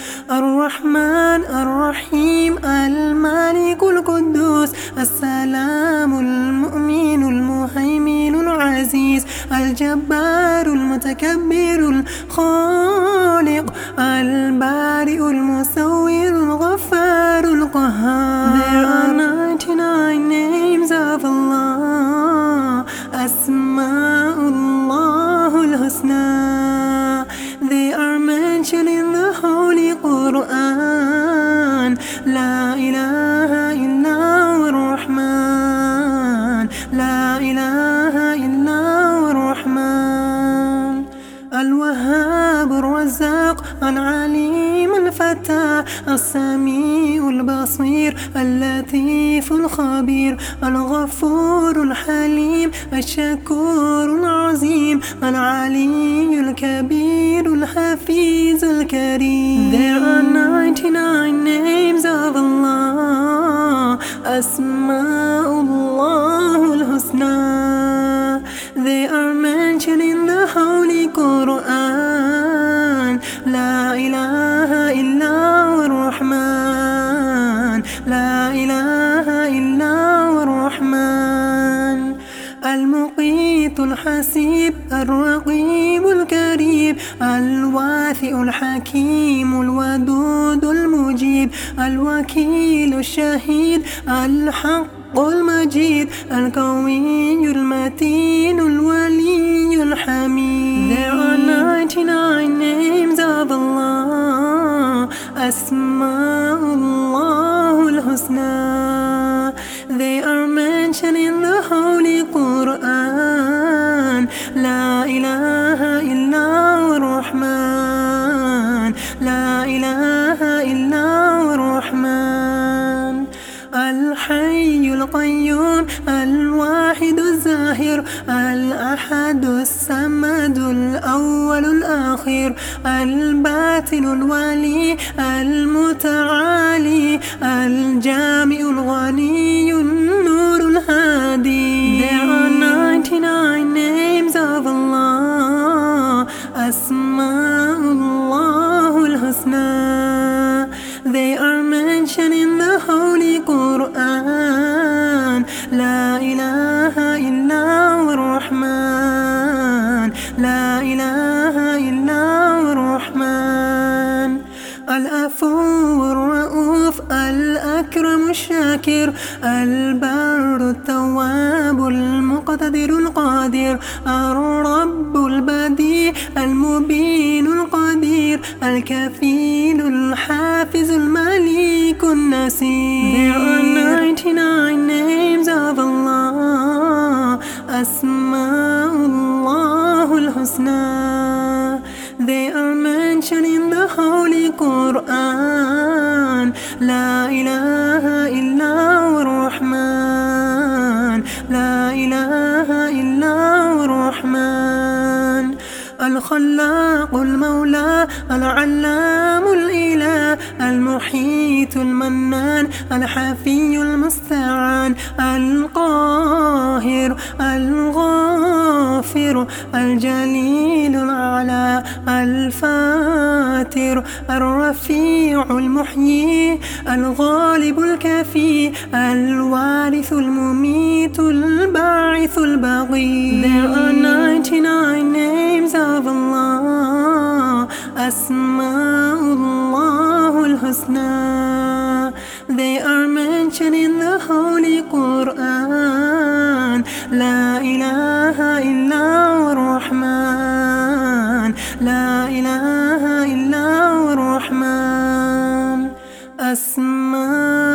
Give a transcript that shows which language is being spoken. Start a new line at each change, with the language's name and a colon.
Arabic: الرحمن الرحيم الملك القدوس السلام المؤمن المهيمن العزيز الجبار المتكبر الخالق البارئ المصور.
English: There are 99 names of Allah.
Arabic: Asma'ullah al-Husna.
English: They are mentioned in the Holy Quran.
Arabic: La ilaha illa ar-Rahman. La ilaha illa ar-Rahman. Al-Wahhab al-Razzaq al-Alim al-Fatah. السميع البصير اللطيف الخبير الغفور الحليم الشكور العظيم العلي الكبير الحفيظ الكريم.
English: There are 99 names of Allah.
Arabic: أسماء الله الحسنى.
English: They are mentioned in the Holy Quran.
Arabic: لا إله إلا الرحمن. لا إله إلا الرحمن. المقيت الحسيب الرقيب الكريم الواثق الحكيم الودود المجيب الوكيل الشهيد الحق المجيد القوي المتين الولي الحميد.
English: There are 99 names of Allah.
Arabic: أسماء الله الحسنى.
English: They are mentioned in the Holy Quran.
Arabic: لا إله إلا الرحمن. لا إله إلا الرحمن. الحي القيوم الواحد الظاهر الأحد الصمد الأول الآخر الباطن الولي المتعالي الجامع الغني النور الهادي.
English: There are 99 names of Allah.
Arabic: أسماء الله الحسنى.
English: They are mentioned in the Holy Quran.
Arabic: لا إله إلا الله الرحمن. لا إله إلا الله الرحمن. العفو الرؤوف الأكرم الشاكر البار التواب المقتدر القادر الرب البديع المبين القدير الكفيل الحافظ المليك النسير.
English: There are 99 names of Allah.
Arabic: أسماء الله الحسنى.
English: They are mentioned in the Holy Quran.
Arabic: لا إله إلا الله الرحمن. لا إله إلا الله الرحمن. الخلاق المولى العلام الإله المحيط المنان الحفي المستعان القاهر الغافر الجليل العلا الفاتر الرفيع المحيي الغالب الكفي الوارث المميت الباعث البغي.
English: There are 99 names of Allah.
Arabic: أسماء الله الحسنى.
English: They are mentioned in the Holy Quran.
Arabic: لا إله إلا الرحمن. لا إله إلا الرحمن. أسماء الله الحسنى.